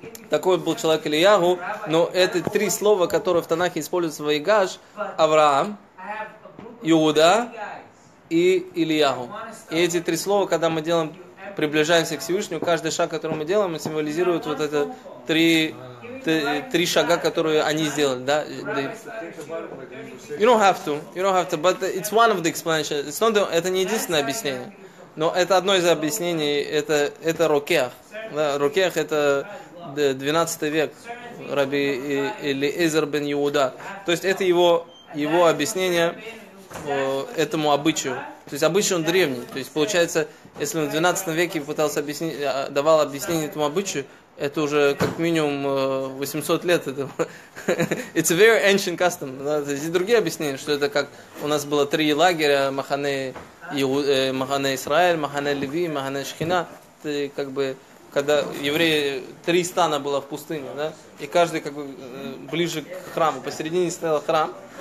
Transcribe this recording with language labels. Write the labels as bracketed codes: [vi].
[ru] Такой был человек Ильяху, но это три слова, которые в Танахе используются в Ваигаш. Авраам, Иуда и Ильяху. И эти три слова, когда мы делаем, приближаемся к Всевышнему, каждый шаг, который мы делаем, символизирует вот эти три шага, которые они сделали. Да? [en] You don't have to, but it's one of the explanations. It's not the, [ru] это не единственное объяснение. Но это одно из объяснений, это Рокеах. Да? Рокеах это 12 век, Раби Элиэзер бен Иуда. То есть это его объяснение этому обычаю. То есть обычай он древний. То есть получается, если он в 12 веке пытался объяснить, давал объяснение этому обычаю, это уже как минимум 800 лет. [en] It's a very ancient custom. [ru] Здесь другие объяснения, что это как у нас было три лагеря, Махане Исраэль, Махане Леви, Махане Шхина. Это как бы, когда евреи, три стана было в пустыне, да? И каждый как бы ближе к храму. Посередине стоял храм.